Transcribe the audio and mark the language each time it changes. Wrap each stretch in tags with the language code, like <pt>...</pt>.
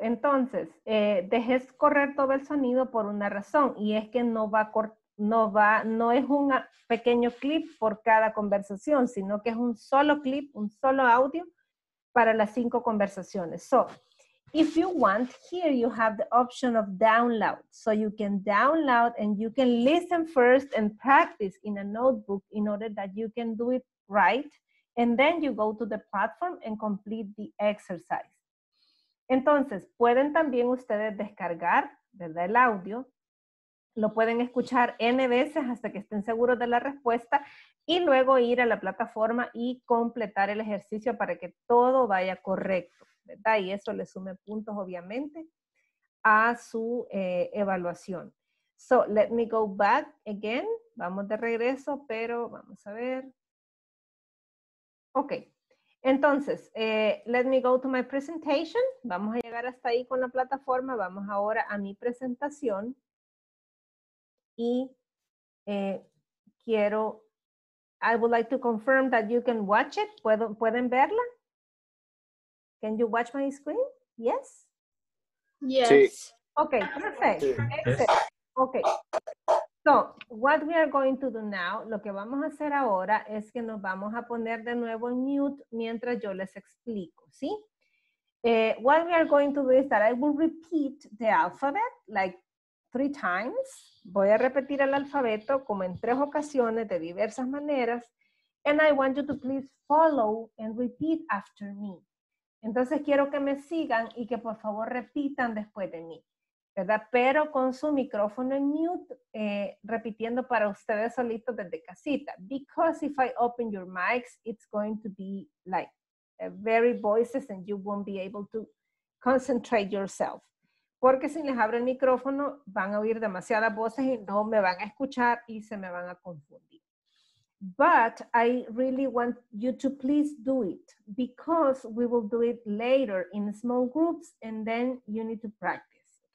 <es>Entonces, dejé correr todo el sonido por una razón. Y es que no es un pequeño clip por cada conversación, sino que es un solo clip, un solo audio para las 5 conversaciones.</es> <en>So, if you want, here you have the option of download. So you can download and you can listen first and practice in a notebook in order that you can do it right. And then you go to the platform and complete the exercise.</en> <es>Entonces, pueden también ustedes descargar, ¿verdad? El audio. Lo pueden escuchar N veces hasta que estén seguros de la respuesta y luego ir a la plataforma y completar el ejercicio para que todo vaya correcto, ¿verdad? Y eso le sume puntos, obviamente, a su evaluación.</es> <en>So, let me go back again.</en> <es>Vamos de regreso, pero vamos a ver. Ok.</es> <en>Entonces, let me go to my presentation.</en> <es>Vamos a llegar hasta ahí con la plataforma. Vamos ahora a mi presentación. Y quiero,</es> <en>I would like to confirm that you can watch it.</en> <es>¿Pueden verla?</es> <en>Can you watch my screen? Yes? Yes.</en> <es>Sí.</es> <en>Okay, perfect. Excellent. Okay. So, what we are going to do now,</en> <es>lo que vamos a hacer ahora es que nos vamos a poner de nuevo en mute mientras yo les explico, ¿sí?</es> <en>What we are going to do is that I will repeat the alphabet, like, 3 times.</en> <es>Voy a repetir el alfabeto como en 3 ocasiones de diversas maneras.</es> <en>And I want you to please follow and repeat after me.</en> <es>Entonces, quiero que me sigan y que por favor repitan después de mí, ¿verdad? Pero con su micrófono en mute, repitiendo para ustedes solitos desde casita.</es> <en>Because if I open your mics, it's going to be like very voices and you won't be able to concentrate yourself.</en> <es>Porque si les abro el micrófono, van a oír demasiadas voces y no me van a escuchar y se me van a confundir.</es> <en>But I really want you to please do it because we will do it later in small groups and then you need to practice.</en>